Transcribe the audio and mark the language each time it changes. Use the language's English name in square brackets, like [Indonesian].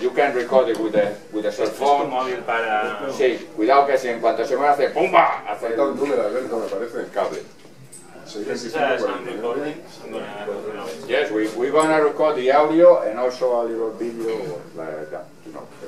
[English] You can record it with a cell phone. [Spanish] Es tu móvil para... Sí, cuidado que si en cuanto se mueve hace ¡pumba! Hace el número, Alberto, me parece. El cable. Sí, [English] yes, we're gonna record the audio and also a little video like that. No.